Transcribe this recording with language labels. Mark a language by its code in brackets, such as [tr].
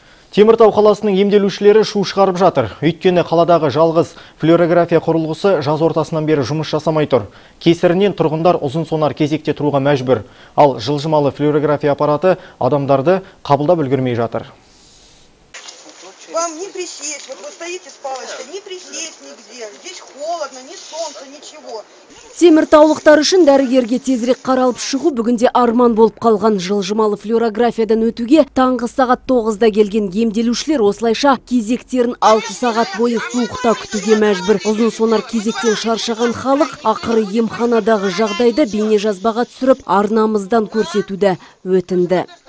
[kk] Теміртау қаласының емделушілері шу шығарып жатыр. Өйткені қаладағы жалғыз флюорография құрылғысы жаз ортасынан бері жұмыс жасамай тұр. Кесірінен тұрғындар ұзын сонар кезекте тұруға мәжбүр. Ал жылжымалы флюорография аппараты адамдарды қабылдап үлгермей жатыр. [ru] Вам не присесть, вот вы стоите с палочкой, не присесть нигде, здесь холодно, ни солнца, ничего. [kk] Теміртаулықтар үшін дәрігерге тезірек қаралып шығу бүгінде арман болып қалған. Жылжымалы флюорографиядан өтуге таңғы сағат 9-да келген емделушілер осылайша кезектерін 6 сағат бойы суықта күтуге мәжбүр. Ұзын сонар кезектен шаршаған халық ақыры емханадағы жағдайды бейне жазбаға түсіріп арнамыздан көрсетуді өтінді.